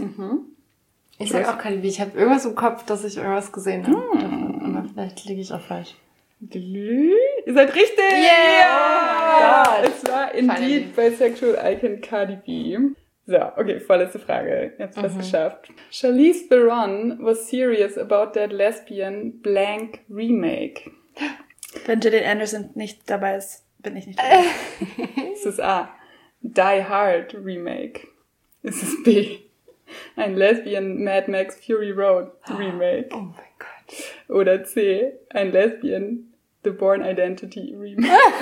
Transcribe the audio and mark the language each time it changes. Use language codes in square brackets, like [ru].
[de] Mhm. Ich sag auch Cardi B. Ich habe irgendwas im Kopf, dass ich irgendwas gesehen habe. Vielleicht liege ich auch falsch. Ihr seid richtig! Yeah! Oh mein Gott. Es war [en] indeed Bisexual Icon [de] Cardi B. So, okay, vorletzte Frage. Jetzt fast geschafft. [en] Charlize Theron was serious about that lesbian blank remake. [de] Wenn Gillian Anderson nicht dabei ist, bin ich nicht dabei. Ist es A, Die Hard Remake? Ist es B, ein lesbian Mad Max Fury Road Remake? Oh mein Gott. Oder C, ein lesbian The Bourne Identity Remake?